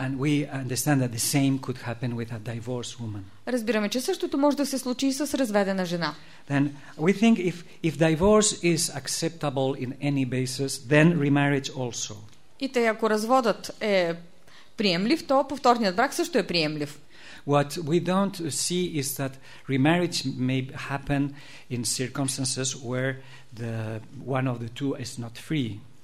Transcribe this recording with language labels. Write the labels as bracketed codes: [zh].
[en] And we understand that the same could happen with a divorced woman. [bg] Разбираме, че същото може да се случи и с разведена жена. [en] Then we think if divorce is acceptable in any basis, then remarriage also. [bg] И тъй, ако разводът е приемлив, то повторният брак също е приемлив. [en] What we don't see is that remarriage may happen in circumstances where one of the two is not free.